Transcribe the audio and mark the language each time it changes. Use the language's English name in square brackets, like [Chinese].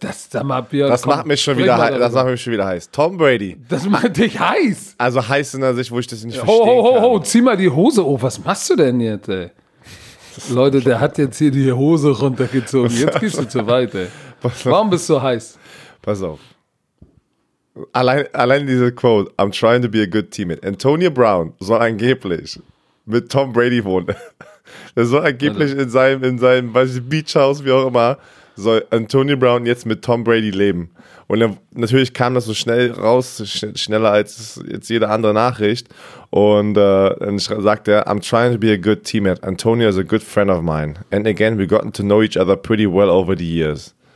[German] Das macht mich schon wieder heiß. Tom Brady. Das macht dich heiß. Also heiß in der Sicht, wo ich das nicht verstehe. Ho, zieh mal die Hose hoch. Was machst du denn jetzt, ey? Leute, der hat jetzt hier die Hose runtergezogen. Jetzt gehst du zu weit, ey. Warum bist du heiß? Pass auf. Allein diese Quote, [English] I'm trying to be a good teammate. [German] Antonio Brown soll angeblich mit Tom Brady wohnen. Er soll angeblich in seinem Beach House, wie auch immer, soll Antonio Brown jetzt mit Tom Brady leben. Und natürlich kam das so schnell raus, schneller als jetzt jede andere Nachricht. Und dann sagt er, [English] I'm trying to be a good teammate. Antonio is a good friend of mine. And again, we've gotten to know each other pretty well over the years.